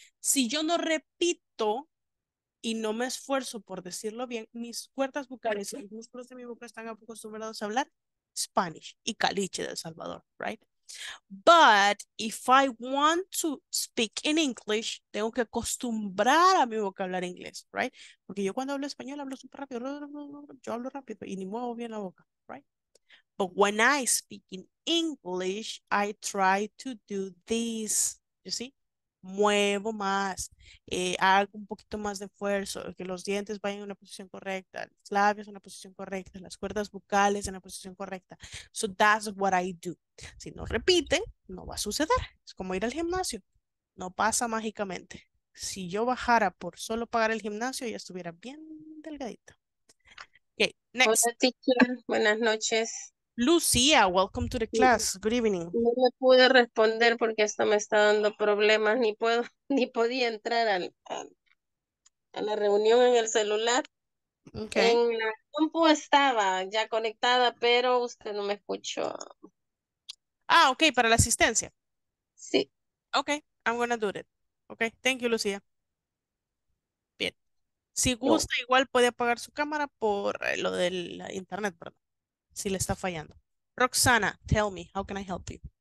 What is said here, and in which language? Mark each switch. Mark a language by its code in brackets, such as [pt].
[es] Si yo no repito y no me esfuerzo por decirlo bien, mis cuerdas vocales y los músculos de mi boca están acostumbrados a hablar Spanish y caliche de El Salvador, right? [en] But if I want to speak in English, [es] tengo que acostumbrar a mi boca a hablar inglés, right? Porque yo cuando hablo español hablo súper rápido, yo hablo rápido y ni muevo bien la boca, right? [en] But when I speak in English, I try to do this. You see? [es] Muevo más. Hago un poquito más de esfuerzo. Que los dientes vayan en una posición correcta. Los labios en una posición correcta. Las cuerdas vocales en la posición correcta. [en] So that's what I do. [es] Si no repiten, no va a suceder. Es como ir al gimnasio. No pasa mágicamente. Si yo bajara por solo pagar el gimnasio, ya estuviera bien delgadita. [en] Okay, next. [es] Hola, teacher. Buenas noches. [en] Lucía, welcome to the class. Good evening. [es] No me pude responder porque esto me está dando problemas. Ni puedo, ni podía entrar a la reunión en el celular. [en] Okay. [es] En la compu estaba ya conectada, pero usted no me escuchó. Ah, okay, para la asistencia. Sí. [en] Okay, I'm gonna do it. Okay, thank you, Lucía. [es] Bien. Si gusta, no. Igual puede apagar su cámara por lo del internet, perdón. Si le está fallando. [en] Roxana, tell me, how can I help you?